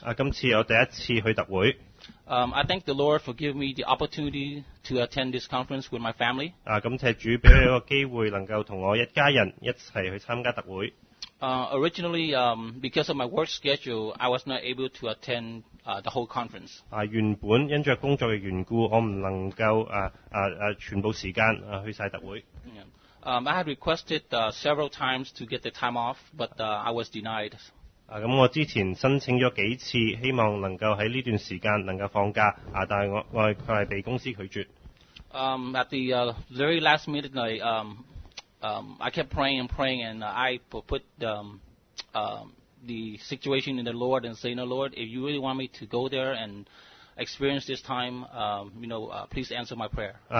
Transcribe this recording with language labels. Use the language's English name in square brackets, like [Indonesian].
[Cantonese] 今次我第一次去特會。 [English] I thank the Lord for giving me the opportunity to attend this conference with my family. [Cantonese] 感謝主俾我一個機會能夠同我一家人一齊去參加特會。 [English] Originally, because of my work schedule, I was not able to attend the whole conference. [Cantonese] 原本因著工作的緣故，我唔能夠全部時間去曬特會。 [English] I had requested several times to get the time off, but I was denied. [Cantonese] 我之前申請咗幾次，希望能夠喺呢段時間能夠放假，但係我係被公司拒絕。 [English] At the very last minute, I kept praying and praying, and I put the situation in the Lord and saying, Lord, if you really want me to go there and experience this time, please answer my prayer.